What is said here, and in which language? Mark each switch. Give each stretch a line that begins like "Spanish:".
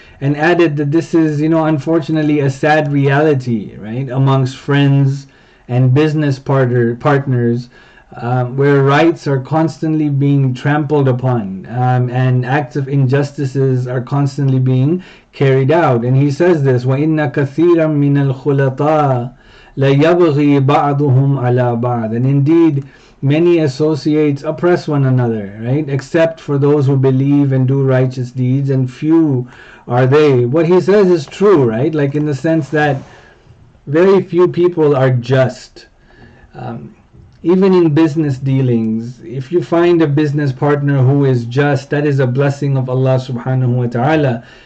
English: And added that this is, you know, unfortunately a sad reality, right, amongst friends and business partners, where rights are constantly being trampled upon, and acts of injustices are constantly being carried out. And he says this,
Arabic: وَإِنَّ كَثِيرًا مِنَ الْخُلَطَاءِ لَيَبْغِي بَعْضُهُمْ عَلَىٰ بَعْضٍ.
English: And indeed, many associates oppress one another, right, except for those who believe and do righteous deeds, and few are they. What he says is true, right, like in the sense that very few people are just. Even in business dealings, if you find a business partner who is just, that is a blessing of Allah subhanahu wa ta'ala.